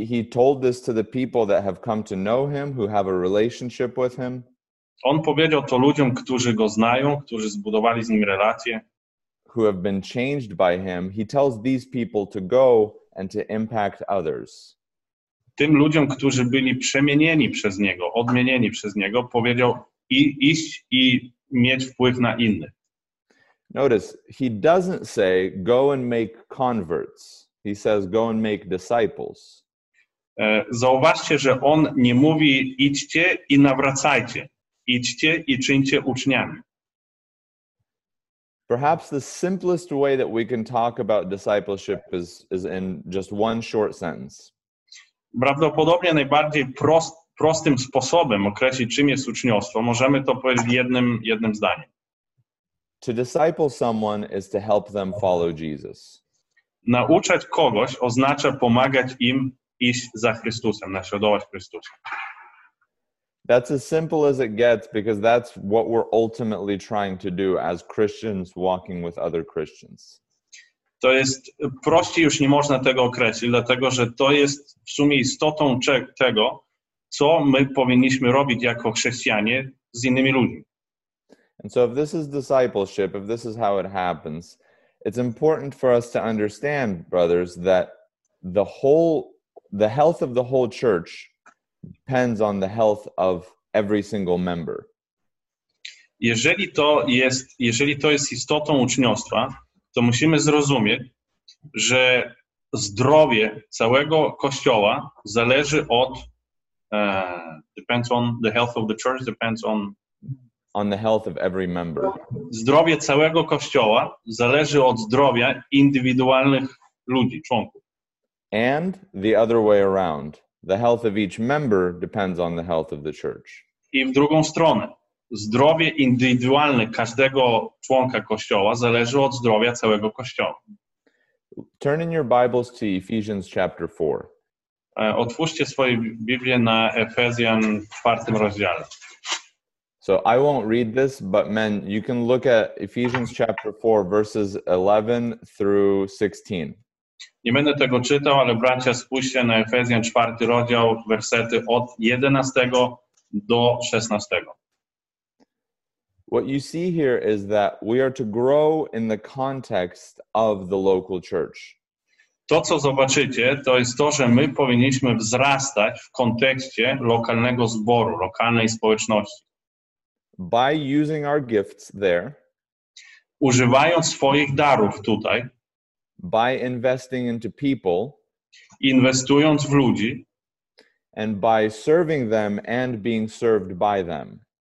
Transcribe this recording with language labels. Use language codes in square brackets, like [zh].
[en] He told this to the people that have come to know him, who have a relationship with him. [pl] On powiedział to ludziom, którzy go znają, którzy zbudowali z nim relacje. [en] Who have been changed by him. He tells these people to go and to impact others. [pl] Tym ludziom, którzy byli przemienieni przez niego, odmienieni przez niego, powiedział iść i mieć wpływ na innych. [en] Notice, he doesn't say go and make converts. He says go and make disciples. [pl] Zauważcie, że on nie mówi idźcie i nawracajcie. Idźcie i czyńcie uczniami. [en] Perhaps the simplest way that we can talk about discipleship is in just one short sentence. [pl] Prawdopodobnie najbardziej prostym sposobem określić, czym jest uczniostwo, możemy to powiedzieć jednym zdaniem. [en] To disciple someone is to help them follow Jesus. [pl] Nauczać kogoś oznacza pomagać im iść za Chrystusem, naśladować Chrystusa. [en] That's as simple as it gets, because that's what we're ultimately trying to do as Christians walking with other Christians. [pl] To jest, prościej już nie można tego określić, dlatego że to jest w sumie istotą tego, co my powinniśmy robić jako chrześcijanie z innymi ludźmi. [en] And so if this is discipleship, if this is how it happens, it's important for us to understand, brothers, that the health of the whole church depends on the health of every single member. [pl] Jeżeli to jest istotą uczniostwa, to musimy zrozumieć, że zdrowie całego kościoła zależy od [en] depends on the health of the church depends on the health of every member. [pl] Zdrowie całego kościoła zależy od zdrowia indywidualnych ludzi, członków. [en] And the other way around. The health of each member depends on the health of the church. [pl] I w drugą stronę. Zdrowie indywidualne każdego członka kościoła zależy od zdrowia całego kościoła. [en] Turn in your Bibles to Ephesians chapter 4. [pl] Otwórzcie swoje Biblię na Efezjan w 4 rozdziale. [en] So I won't read this, but men, you can look at Ephesians chapter 4, verses 11 through 16. [pl] Nie będę tego czytał, ale bracia, spójrzcie na Efezjan 4 rozdział, wersety od 11 do 16. [en] What you see here is that we are to grow in the context of the local church. [pl] To, co zobaczycie, to jest to, że my powinniśmy wzrastać w kontekście lokalnego zboru, lokalnej społeczności. [en] By using our gifts there, [pl] używając swoich darów tutaj, [en] by investing into people, [pl] inwestując w ludzi, [en] and by serving them and being served by them.